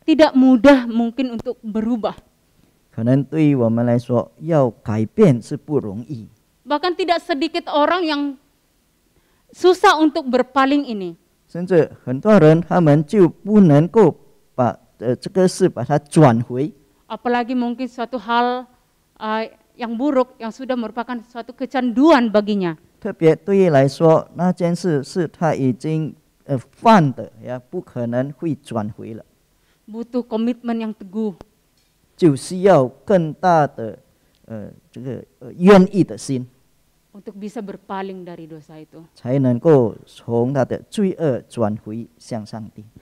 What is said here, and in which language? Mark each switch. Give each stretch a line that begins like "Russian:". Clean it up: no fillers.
Indonesian: Tidak mudah mungkin untuk berubah.
Chinese: 可能对于我们来说要改变是不容易。
Indonesian: Bahkan tidak sedikit orang yang susah untuk berpaling ini.
Chinese: 甚至很多人他们就不能够把这个事把它转回。
Indonesian: Apalagi mungkin suatu hal yang buruk yang sudah merupakan suatu kecanduan baginya.
Chinese: 特别对于来说，那件事是他已经犯的，也不可能会转回了.
Indonesian: Butuh komitmen yang teguh.
Chinese: 就需要更大的这个愿意的心.
Indonesian: Untuk bisa berpaling dari dosa itu.
Chinese: 才能够从他的罪恶转回向上帝.